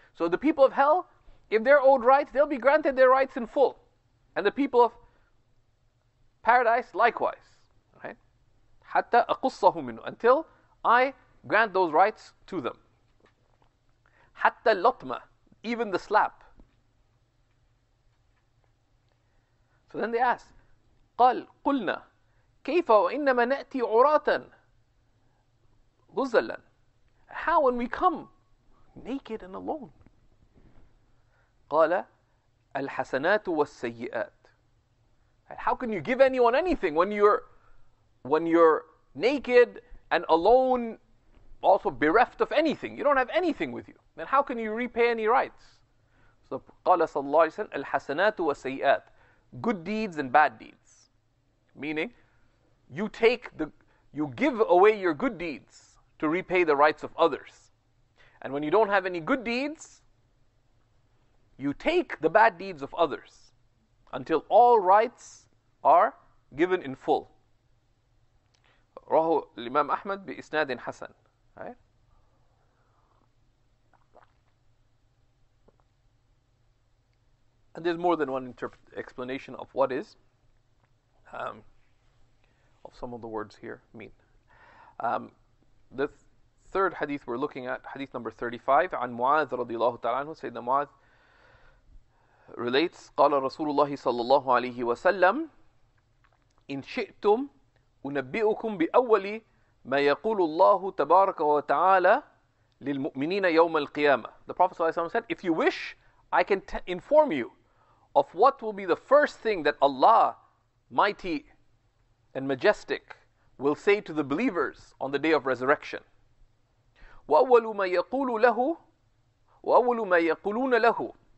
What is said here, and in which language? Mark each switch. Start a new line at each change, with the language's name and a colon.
English: So the people of hell, if they're owed rights, they'll be granted their rights in full. And the people of paradise, likewise.
Arabic: حتى أقصه منه,
English: until I grant those rights to them.
Arabic: حتى اللطمة,
English: even the slap. So then they ask,
Arabic: قال قلنا كيف وإنما نأتي عراتا غزلا.
English: How when we come naked and alone?
Arabic: قال الحسنات والسيئات.
English: How can you give anyone anything when you're naked and alone, also bereft of anything? You don't have anything with you. Then how can you repay any rights?
Arabic: So قال صلى الله عليه وسلم الحسنات والسيئات.
English: Good deeds and bad deeds. Meaning, you give away your good deeds to repay the rights of others. And when you don't have any good deeds, you take the bad deeds of others until all rights are given in full.
Arabic: رواه الإمام أحمد بإسناد حسن.
English: And there's more than one explanation of what is, of some of the words here mean. The third hadith we're looking at, hadith number 35,
Arabic: عن معاذ رضي الله تعالى عنه,
English: Sayyidina Mu'adh relates,
Arabic: قال رسول الله صلى الله عليه وسلم, إن شئتم أنبئكم بأول ما يقول الله تبارك وتعالى للمؤمنين يوم القيامة.
English: The Prophet صلى الله عليه وسلم said, if you wish, I can inform you of what will be the first thing that Allah, mighty and majestic, will say to the believers on the day of resurrection.
Arabic: وَأَوَّلُ مَا يَقُولُ لَهُ وَأَوَّلُ مَا يَقُولُونَ لَهُ.